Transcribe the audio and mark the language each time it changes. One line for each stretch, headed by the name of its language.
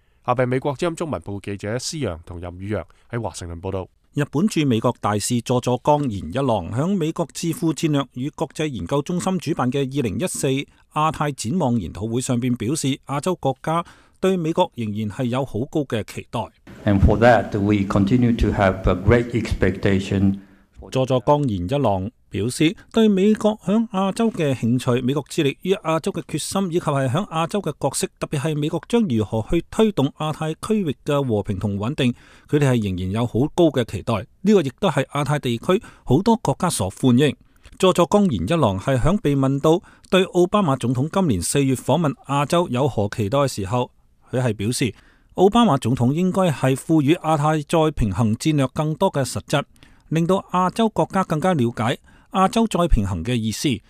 Chinese: 下面美国之音中文部记者思阳和任宇阳在华盛顿报道。日本驻美国大使佐佐刚彦一郎在美国智库战略与国际研究中心主办的2014亚太展望研讨会上表示，亚洲国家对美国仍然是有很高的期待。
English: And for that, we continue to have a great expectation.
Chinese: 佐佐刚彦一郎表示，对美国在亚洲的兴趣、美国致力于亚洲的决心，以及是在亚洲的角色，特别是美国将如何去推动亚太区域的和平和稳定，他们是仍然有很高的期待。这个亦都是亚太地区很多国家所欢迎。佐佐刚彦一郎是在被问到对奥巴马总统今年四月访问亚洲有何期待的时候，他是表示，奥巴马总统应该是赋予亚太再平衡战略更多的实质，令到亚洲国家更加了解亚洲再平衡的意思。